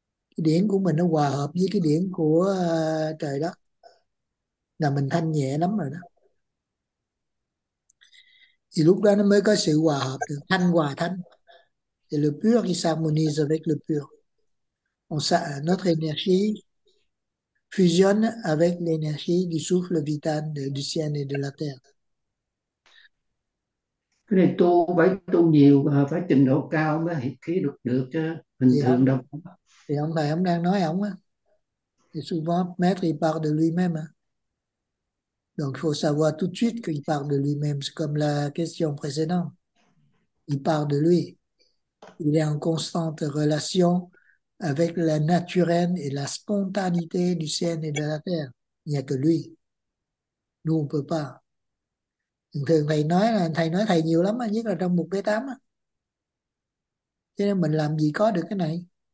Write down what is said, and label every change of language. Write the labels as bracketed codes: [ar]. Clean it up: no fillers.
[vi] Cái điển của mình nó hòa hợp với cái điển của trời đất là mình thanh nhẹ lắm rồi đó, thì lúc đó nó mới có sự hòa hợp được, thanh hòa thanh thì [fr] le pur qui s'harmonise avec le pur, notre énergie fusionne avec l'énergie du souffle vital du ciel et de la terre. [vi] Cái này tu phải tu nhiều và phải trình độ cao mới hiệp khí được được chứ bình Thì thường đâu. ông thầy ông đang nói ông á, thì [fr] souvent maître il parle de lui-même, donc faut savoir tout de suite qu'il parle de lui-même, comme la question précédente, il parle de lui, il est en constante relation avec la naturelle et la spontanéité du ciel et de la terre, il n'y a que lui, nous on peut pas. [vi] Thường thầy nói là thầy nói thầy nhiều lắm, nhất là trong mục B8 á, cho nên mình làm gì có được cái này.